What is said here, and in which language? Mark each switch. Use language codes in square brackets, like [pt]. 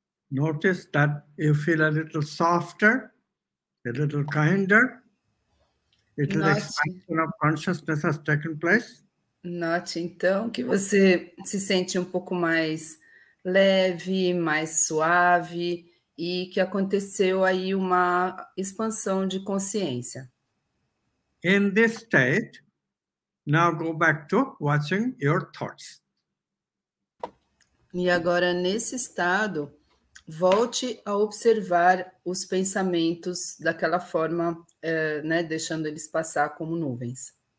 [en] Notice that you feel a little softer, a little kinder. Little expansion of consciousness has taken place. [pt] Note então que você se sente um pouco mais leve, mais suave e que aconteceu aí uma expansão de consciência. [en] In this state, now go back to watching your thoughts. [pt] E agora, nesse estado, volte a observar os pensamentos daquela forma, né, deixando eles passar como nuvens.